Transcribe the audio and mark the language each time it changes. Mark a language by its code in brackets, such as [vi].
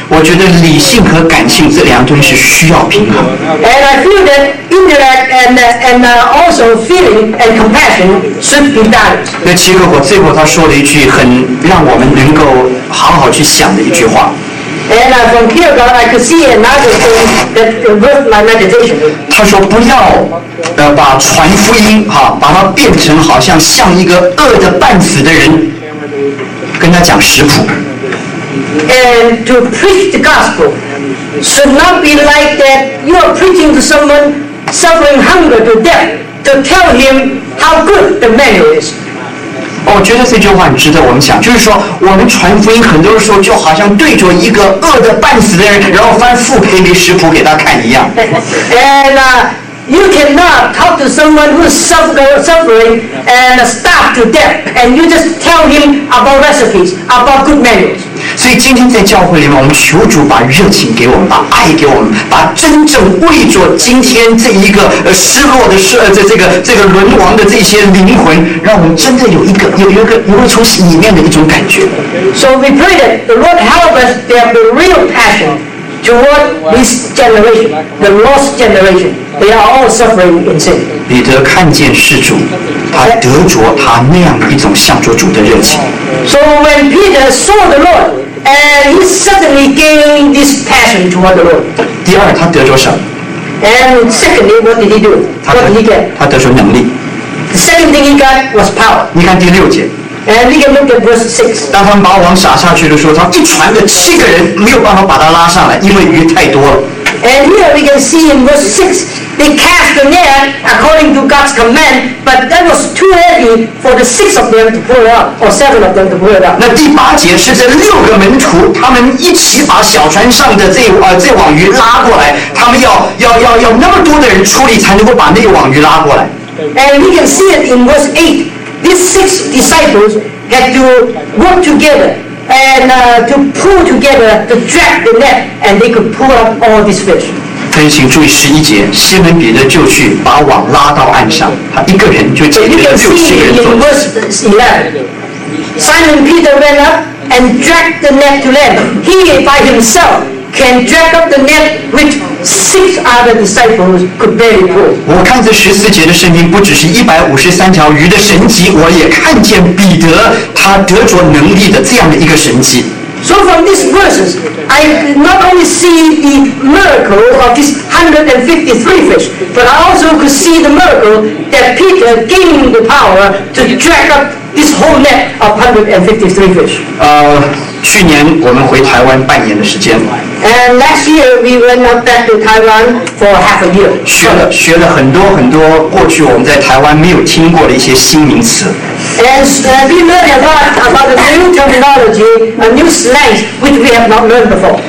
[zh] 我觉得理性和感性这两种是需要平衡。 [en] And I feel that intellect and also feeling and compassion should be balanced. [zh] 那齐格果最后他说了一句很让我们能够好好去想的一句话。 [en] And from Kierkegaard, I could see another thing that worth my meditation. [zh] 他说不要把传福音哈，把它变成好像像一个饿的半死的人，跟他讲食谱。 [en] And to preach the gospel should not be like that. You are preaching to someone suffering hunger to death to tell him how good the menu is. [zh] 我觉得这句话很值得我们想，就是说我们传福音很多时候就好像对着一个饿得半死的人，然后翻腹皮给食谱给他看一样。 [en] And you cannot talk to someone who is suffering and starved to death, and you just tell him about recipes, about good menus. [zh] 所以今天在教会里面，我们求主把热情给我们，把爱给我们，把真正为着今天这一个失落的这个沦亡的这些灵魂，让我们真的有一个从里面的一种感觉。 [en] So we pray that the Lord help us to have the real passion. Toward this generation, the lost generation, they are all suffering in sin. [zh] 彼得看见世主，他得着他那样一种向着主的热情。 [en] So when Peter saw the Lord, and he suddenly gained this passion toward the Lord. [zh] 第二，他得着什么 [en] ？And secondly, what did he do? What did he get? [zh] 他得着能力。 [en] The second thing he got was power. [zh] 你看第六节。 [en] And we can look at verse 6. [zh] 当他们把网撒下去的时候，他一船的七个人没有办法把他拉上来，因为鱼太多了。 [en] And here we can see in verse 6, they cast the net according to God's command, but that was too heavy for the six of them to pull it up, or seven of them to pull it up. [zh] 那第八节是这六个门徒，他们一起把小船上的这网鱼拉过来，他们要那么多的人出力才能够把那网鱼拉过来。 [en] And we can see it in verse 8. These six disciples had to work together and to pull together to drag the net, and they could pull up all these fish. [zh] 所以请注意十一节，西门彼得就去把网拉到岸上，他一个人就解决了六七个人做的。 [en] In verse 11, Simon Peter went up and dragged the net to land. He by himself can drag up the net with. Six other disciples could barely pull. [zh] 我看这十四节的圣经，不只是一百五十三条鱼的神迹，我也看见彼得他得着能力的这样的一个神迹。 [en] So from these verses, I not only see the miracle of these 153 fish, but I also could see the miracle that Peter gained the power to drag up this whole net of 153 fish. [zh] 去年我们回台湾半年的时间。 [en] And last year we went up back to Taiwan for half a year. [zh] 学了很多很多过去我们在台湾没有听过的一些新名词。 [en] And we learned a lot about the new terminology, a new slang which we have not learned before.